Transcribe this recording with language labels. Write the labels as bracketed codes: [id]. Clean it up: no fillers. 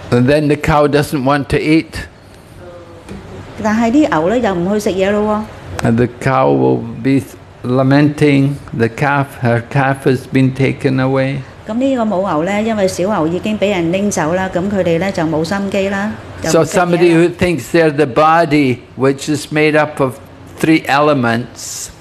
[en] And then the cow doesn't want to eat. [yue] 但係啲牛咧又唔去食嘢咯喎。 [en] And the cow will be lamenting the calf. Her calf has been taken away. [yue] 咁呢個母牛咧，因為小牛已經俾人拎走啦，咁佢哋咧就冇心機啦。 [en] So somebody who thinks they're the body, which is made up of three elements.